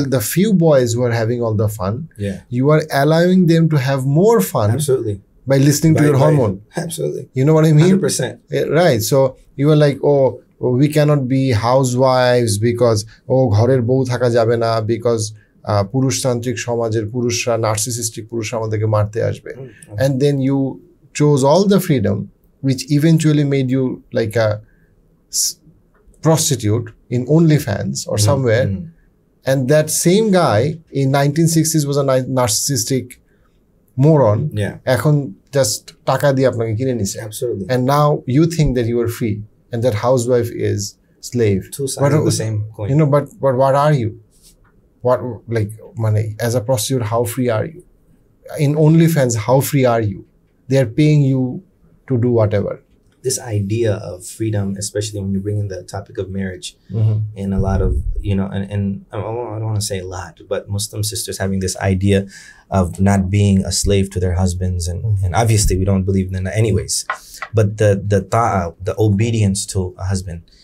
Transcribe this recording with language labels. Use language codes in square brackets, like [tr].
[en] Well, the few boys who are having all the fun, you are allowing them to have more fun. Absolutely. By listening to your hormone. Absolutely. You know what I mean? 100%. Right. So you are like, oh, we cannot be housewives because, oh, [bn] gharer bou thaka jabe na [en] because... [bn] পুরুষতান্ত্রিক সমাজের পুরুষরা, narcissistic পুরুষরা আমাদেরকে মারতে আসবে, [en] and then you chose all the freedom which eventually made you like a prostitute in OnlyFans or somewhere, and that same guy in 1960s was a narcissistic moron, [bn] এখন just টাকা দিয়ে আপনাকে কিনে নিছে, [en] And now you think that you are free and that housewife is slave, you know, but what are you? What, like, money as a prostitute, how free are you? In OnlyFans, how free are you? They are paying you to do whatever. This idea of freedom, especially when you bring in the topic of marriage, in a lot of, you know, and I don't want to say a lot, but Muslim sisters having this idea of not being a slave to their husbands, and obviously we don't believe in that anyways, but the ta'a, the obedience to a husband.